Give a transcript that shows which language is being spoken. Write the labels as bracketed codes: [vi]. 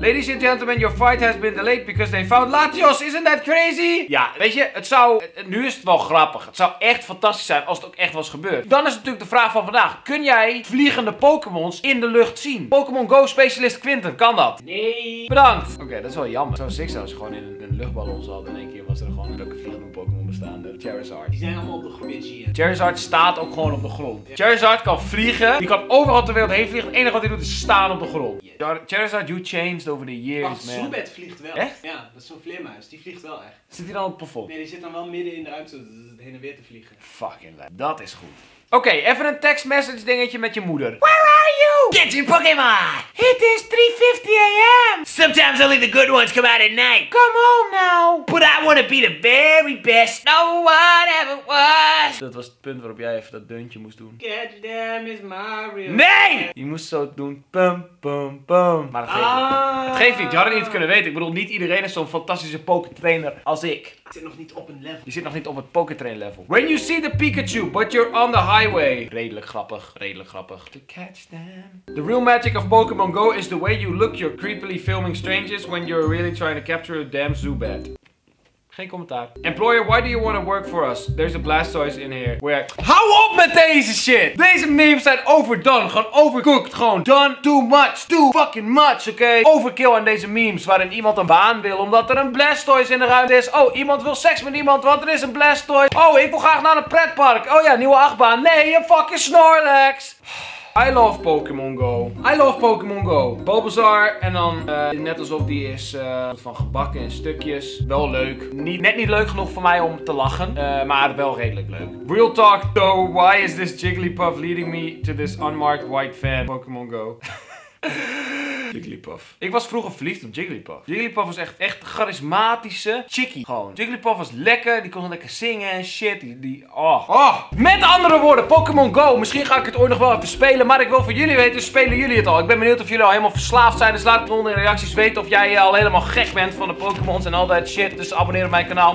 [en] Ladies and gentlemen, your fight has been delayed because they found Latios. Isn't that crazy? [nl] Ja, weet je, het zou. Nu is het wel grappig. Het zou echt fantastisch zijn als het ook echt was gebeurd. Dan is natuurlijk de vraag van vandaag. Kun jij vliegende Pokémons in de lucht zien? Pokémon Go specialist Quinten, kan dat? Nee. Bedankt. Oké, dat is wel jammer. Zo sick als je gewoon in een luchtballon zat en één keer was er gewoon een leuke vliegende Pokémon bestaande. Charizard. Die zijn allemaal op de grond hier. Charizard staat ook gewoon op de grond. Ja. Charizard kan vliegen. Die kan overal ter wereld heen vliegen. Het enige wat hij doet is staan op de grond. [en] Yes. Charizard, you changed over the years, [nl] man. Zubat vliegt wel. Echt? Ja, dat is zo'n vleermuis. Die vliegt wel echt. Zit hij dan op het plafond? Nee, die zit dan wel midden in de ruimte heen en weer te vliegen. Fucking lijp. Dat is goed. Oké, even een text message dingetje met je moeder. [en] Where are you? Get your Pokémon! It is 3:50 AM! Sometimes only the good ones come out at night. Come on now! But I wanna be the very best no one ever was! [nl] Dat was het punt waarop jij even dat deuntje moest doen. [en] Get them is Mario. [nl] Nee! Je moest zo doen. Pum, pum, pum. Maar dat geeft niet. Dat geeft niet, je had het niet kunnen weten. Ik bedoel, niet iedereen is zo'n fantastische Poketrainer als ik. Ik zit nog niet op een level. Je zit nog niet op het Poketrain level. [en] When you see the Pikachu, but you're on the highway. [nl] Redelijk grappig, redelijk grappig. [en] To catch them. The real magic of Pokémon Go is the way you look your creepily filming strangers when you're really trying to capture a damn Zubat. [nl] Geen commentaar. [en] Employer, why do you want to work for us? There's a Blastoise in here. Where? [nl] Hou op met deze shit! Deze memes zijn overdone. Gewoon overcooked. Gewoon [en] done too much. Too fucking much, [nl] oké? Overkill aan deze memes waarin iemand een baan wil omdat er een Blastoise in de ruimte is. Oh, iemand wil seks met iemand want er is een Blastoise. Oh, ik wil graag naar een pretpark. Oh ja, nieuwe achtbaan. Nee, een fucking Snorlax. [en] I love Pokémon Go. [nl] I love Pokémon Go. Bulbasaur en dan net alsof die is van gebakken in stukjes. Wel leuk. Net niet leuk genoeg voor mij om te lachen. Maar wel redelijk leuk. [en] Real talk though. Why is this Jigglypuff leading me to this unmarked white fan? Pokémon Go. Jigglypuff. [nl] Ik was vroeger verliefd op Jigglypuff. Jigglypuff was echt charismatische chickie. Gewoon. Jigglypuff was lekker. Die kon lekker zingen en shit. Oh. Met andere woorden, Pokémon Go. Misschien ga ik het ooit nog wel even spelen. Maar ik wil van jullie weten, spelen jullie het al? Ik ben benieuwd of jullie al helemaal verslaafd zijn. Dus laat het onder in de reacties weten of jij al helemaal gek bent van de Pokémon's en al dat shit. Dus abonneer op mijn kanaal.